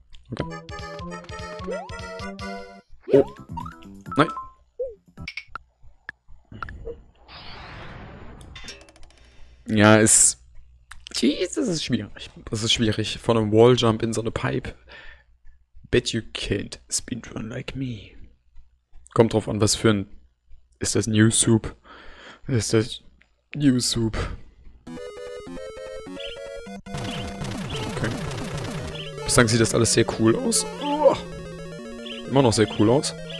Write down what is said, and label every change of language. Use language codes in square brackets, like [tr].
[de] Okay. Oh. Nein. Ja, es... Jesus, das ist schwierig. Das ist schwierig. Von einem Walljump in so eine Pipe. [en] Bet you can't speedrun like me. [de] Kommt drauf an, was für ein... Ist das New Soup? Ist das New Soup? Okay. Bislang sieht das alles sehr cool aus. Oh. Immer noch sehr cool aus.